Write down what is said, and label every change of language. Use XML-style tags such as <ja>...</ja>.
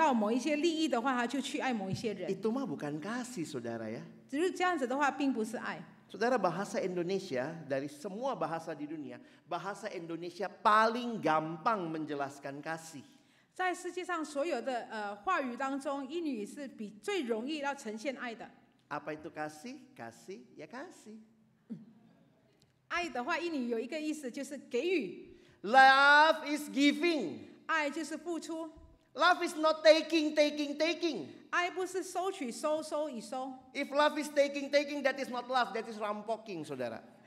<zh>有的时候呢，为了要从某人得到某一些利益的话，他就去爱某一些人。</zh> <id>Itu mah bukan kasih, saudara ya.</id> <zh>只是这样子的话，并不是爱。</zh> <id>Saudara, bahasa Indonesia dari semua bahasa di dunia, bahasa Indonesia paling gampang menjelaskan kasih.</id> <zh>在世界上所有的话语当中，英语是最容易要呈现爱的。</zh> <id>Apa itu kasih? Kasih, ya kasih.</id> <zh>爱的话，英语有一个意思就是给予。</zh> <en>Love is giving.</en> <zh>爱就是付出。</zh> <en>Love is not taking, taking, taking.</en> <zh>爱不是收取，收收以收。</zh> <en>If love is taking, taking, that is not love, that is rampoking, saudara.</en>